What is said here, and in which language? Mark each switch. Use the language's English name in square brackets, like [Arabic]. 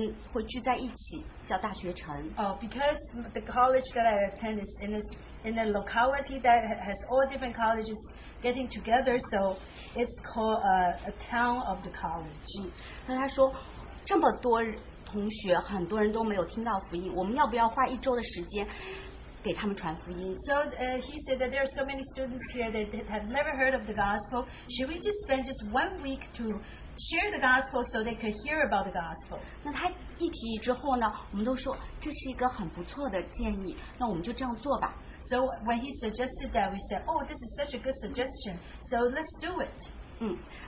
[Chinese] 对，因为我们的大学在一个大学城，就是有很多大学，他们会聚在一起叫大学城。 [English] Oh, because the college that I attend is in a locality that has all different colleges getting together, so it's called a town of the college. [Chinese] 那他说，这么多同学，很多人都没有听到福音，我们要不要花一周的时间给他们传福音？ [English] So he said that there are so many students here that have never heard of the gospel. Should we just spend just 1 week to share the gospel so they could hear about the gospel? [Chinese] 那他一提议之后呢，我们都说这是一个很不错的建议，那我们就这样做吧。 [English] So when he suggested that, we said, oh, this is such a good suggestion, so let's do it.